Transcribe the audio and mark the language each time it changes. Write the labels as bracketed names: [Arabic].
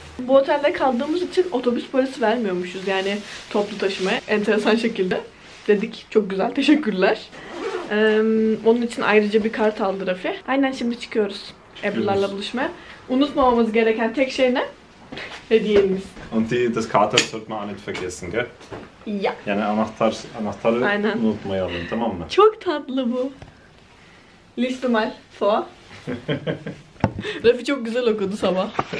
[Turkish] Bu otelde kaldığımız için otobüs parası vermiyormuşuz yani toplu taşımaya, enteresan şekilde. Dedik, çok güzel, teşekkürler. Onun için ayrıca bir kart aldı Rafi. Aynen, şimdi çıkıyoruz Ebru'larla buluşmaya. Unutmamamız gereken tek şey ne? Hediyemiz. [German] Und die, das Karte sollte man nicht vergessen, gell? Ja. [Turkish] Yani anahtarı aynen unutmayalım, tamam mı? Çok tatlı bu. [German] Liste mal vor. [Turkish] Rafi çok güzel okudu sabah.